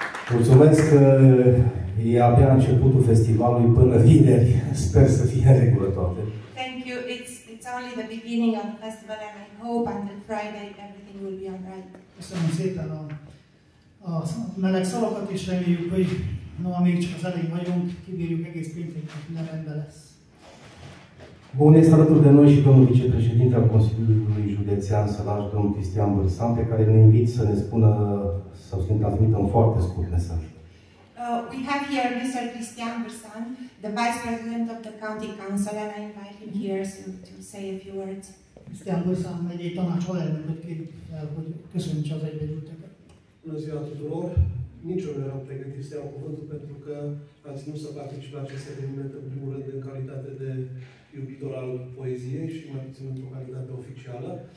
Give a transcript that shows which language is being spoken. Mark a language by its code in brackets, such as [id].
[ro] Mulțumesc că e abia începutul festivalului până vineri. Sper să fie regulă toate. [en] Thank you. It's only the beginning of the festival and I hope until Friday everything will be all right. [hu] Köszönöm szépen a meleg szavakat és reméljük, hogy még csak az elején vagyunk, kibírjuk egész péntekig, minden rendben lesz. [ro] Bun, este alături de noi și domnul vicepreședinte al Consiliului Județean Sălaș, domnul Cristian Bârsan, pe care ne invit să ne spună sau să ne transmită un foarte scurt mesaj. [en] We have here Mr. Cristian Bârsan, the Vice President of the County Council, and I invite him here to say a few words. Cristian Bârsan, mediei tona cioare, mă cât că sunt cea. [ro] Bună ziua tuturor! Nici eu nu eram pregătit să iau cuvântul pentru că am ținut să particip la acest eveniment în primul rând în calitate de iubitor al poeziei și mai puțin într-o calitate oficială.